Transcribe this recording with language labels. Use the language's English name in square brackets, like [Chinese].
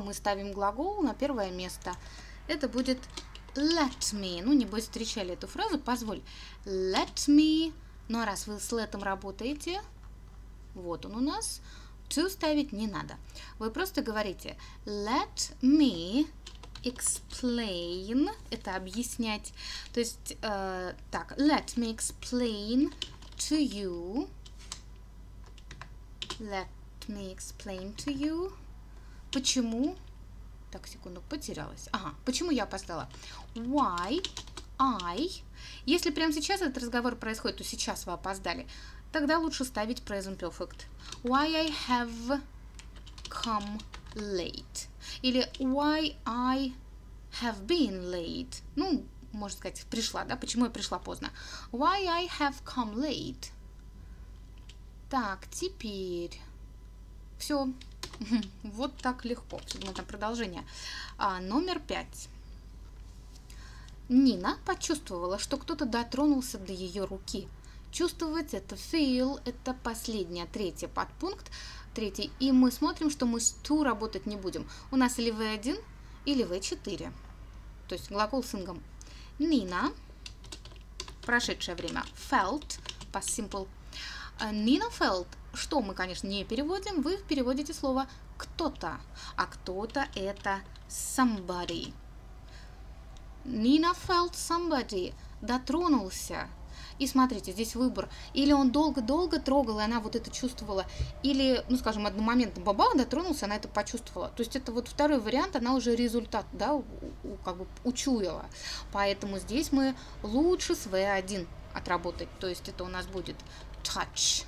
[Russian] Мы ставим глагол на первое место. Это будет... [English] Let me, [Russian] ну, небось, встречали эту фразу, позволь. [English] Let me, [Russian] ну, а раз вы с let'ом работаете, вот он у нас, to ставить не надо. Вы просто говорите, [English] let me explain, [Russian] это объяснять. То есть, так, [English] let me explain to you, [Russian] let me explain to you, почему... Так, секунду, потерялась. Ага, почему я опоздала? [English] Why I... [Russian] Если прямо сейчас этот разговор происходит, то сейчас вы опоздали, тогда лучше ставить present perfect. [English] Why I have come late. Или why I have been late. [Russian] Ну, можно сказать, пришла, да? Почему я пришла поздно? Why I have come late. Так, теперь... Все. Вот так легко. Все-таки это продолжение. А, номер 5. Нина почувствовала, что кто-то дотронулся до ее руки. Чувствовать — это feel, это последнее, третий подпункт. Третий. И мы смотрим, что мы с to работать не будем. У нас или V1, или V4. То есть глагол с ингом. Нина, прошедшее время, [English] felt, [Russian] past simple. Нина [English] felt. [Russian] Что мы, конечно, не переводим, вы переводите слово «кто-то», а «кто-то» — это [English] «somebody». Nina felt somebody, [Russian] дотронулся. И смотрите, здесь выбор. Или он долго-долго трогал, и она вот это чувствовала. Или, ну, скажем, одномоментно баба дотронулся, она это почувствовала. То есть это вот второй вариант, она уже результат, да, как бы учуяла. Поэтому здесь мы лучше с V1 отработать. То есть это у нас будет... [English] touch.